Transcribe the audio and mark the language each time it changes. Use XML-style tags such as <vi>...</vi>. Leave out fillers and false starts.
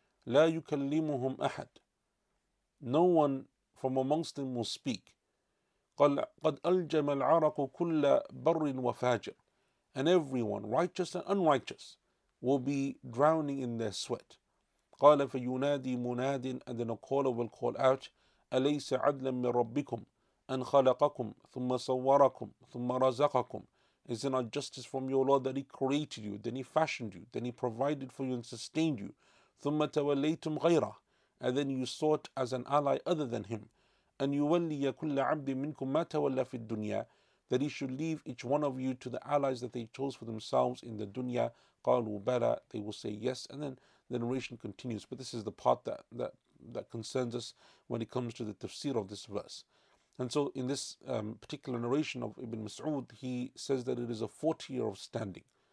<ar>لا يكلمهم أحد,</ar> <en>no one from amongst them will speak.</en> <ar>قال قد ألجم العرق كل بر وفاجر,</ar> <en>and everyone, righteous and unrighteous, will be drowning in their sweat.</en> <ar>قال فينادي مناد,</ar> <en>and then a caller will call out,</en> <ar>أليس عدلا من ربكم أن خلقكم ثم صوركم ثم رزقكم.</ar> <en>Is it not justice from your Lord that he created you, then he fashioned you, then he provided for you and sustained you?</en> <ar>ثم توليتم غيره.</ar> <en>And then you sought as an ally other than him.</en> <ar>أن يولي كل عبد منكم ما تولى في الدنيا.</ar> <en>That he should leave each one of you to the allies that they chose for themselves in the dunya.</en> <ar>قالوا بلى.</ar> <en>They will say yes. And then the narration continues. But this is the part that concerns us when it comes to the tafsir of this verse. And so in this particular narration of Ibn Mas'ud, he says that it is a 40 year of standing.</en>